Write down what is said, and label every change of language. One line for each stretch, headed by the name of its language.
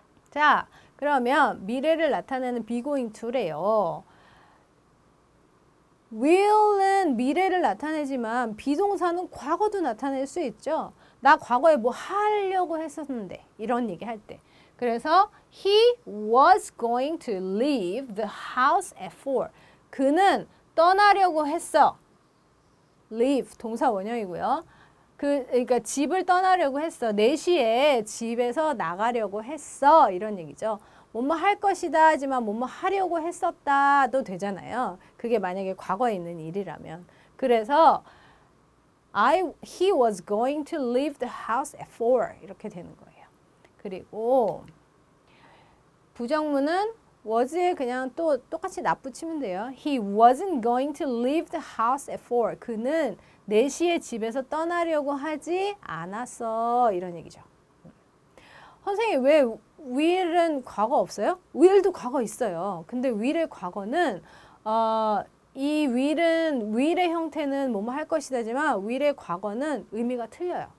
Korean: 자, 그러면 미래를 나타내는 be going to래요. will은 미래를 나타내지만 비동사는 과거도 나타낼 수 있죠. 나 과거에 뭐 하려고 했었는데 이런 얘기 할 때. 그래서
English: he was going to leave the house at four.
Korean: 그는 떠나려고 했어. leave 동사 원형이고요. 그러니까 집을 떠나려고 했어. 4시에 집에서 나가려고 했어. 이런 얘기죠. 뭐뭐 할 것이다 하지만 뭐뭐 하려고 했었다도 되잖아요. 그게 만약에 과거에 있는 일이라면. 그래서
English: he was going to leave the house at four.
Korean: 이렇게 되는 거예요. 그리고 부정문은 was에 그냥 또 똑같이 납붙이면 돼요.
English: He wasn't going to leave the house at four.
Korean: 그는 4시에 집에서 떠나려고 하지 않았어. 이런 얘기죠. 선생님, 왜 will은 과거 없어요? will도 과거 있어요. 근데 will의 과거는, 이 will은, will의 형태는 뭐뭐 할 것이다지만, will의 과거는 의미가 틀려요.